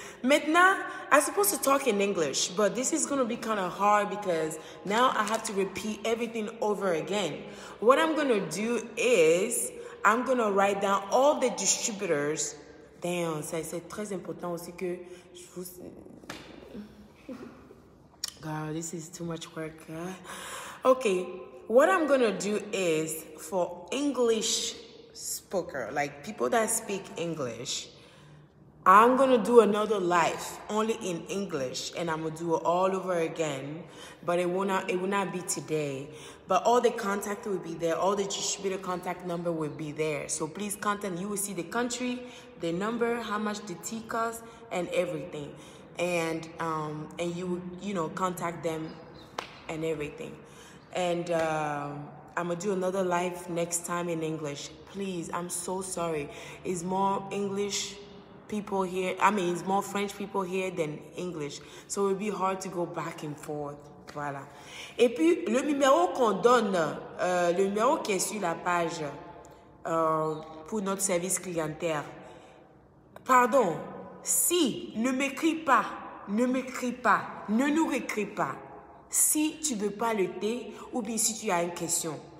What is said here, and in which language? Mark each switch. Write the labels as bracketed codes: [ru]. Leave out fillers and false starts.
[fr] Maintenant, [en] I'm supposed to talk in English, but this is going to be kind of hard because now I have to repeat everything over again. What I'm going to do is I'm going to write down all the distributors. [fr] Damn, c'est très important aussi que je vous... [en] God, this is too much work. Okay, what I'm going to do is for English spoker, like people that speak English, I'm going to do another live only in English and I'm going to do it all over again, but it will not be today. But all the contact will be there. All the distributor contact number will be there. So please contact. You will see the country, the number, how much the tea costs, and everything. And you contact them and everything. And I'm going to do another live next time in English. Please, I'm so sorry. It's more English people here. I mean, it's more French people here than English. So it will be hard to go back and forth. [fr] Voilà. Et puis, le numéro qu'on donne, le numéro qui est sur la page pour notre service clientèle. Pardon, si, ne m'écris pas, ne nous écris pas. Si tu ne veux pas le thé ou bien si tu as une question.